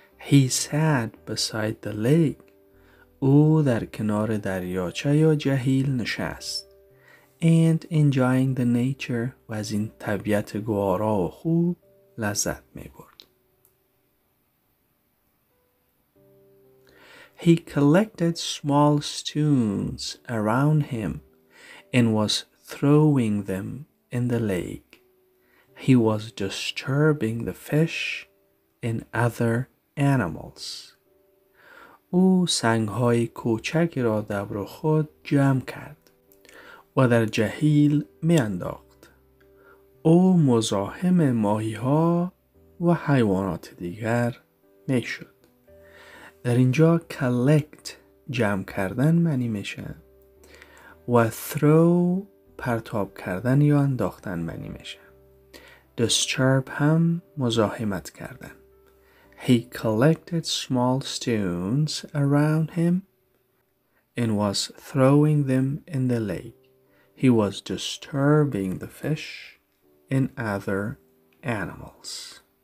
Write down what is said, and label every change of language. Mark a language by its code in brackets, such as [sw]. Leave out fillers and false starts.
[en] He sat beside the lake. [fa] او در کنار دریاچه یا جهیل نشست. [en] And enjoying the nature [fa] و از این طبیعت گوارا و خوب لذت می برد. [en] He collected small stones around him and was throwing them in the lake. He was disturbing the fish and other animals. [fa] او سنگهای کوچکی را دور خود جمع کرد و در جهیل می انداخت. او مزاحم ماهی ها و حیوانات دیگر می شد. در اینجا collect جمع کردن معنی می شه و throw پرتاب کردن یا انداختن معنی می شه. Disturb هم مزاحمت کردن. [en] He collected small stones around him and was throwing them in the lake. He was disturbing the fish and other animals.